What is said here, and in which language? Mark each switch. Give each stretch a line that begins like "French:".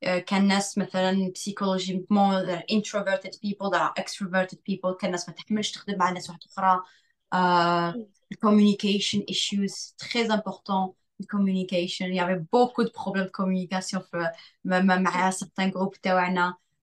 Arabic: كان ناس مثلا
French: psychologiquement
English: they're introverted people, they're extroverted people.
Arabic: كان ناس ما تحملش تخدم مع ناس واحدة أخرى.
English: Communication issues
French: très important. Communication, il y avait beaucoup de problèmes de communication
Arabic: في مع
French: certains groupes
Arabic: تاعنا.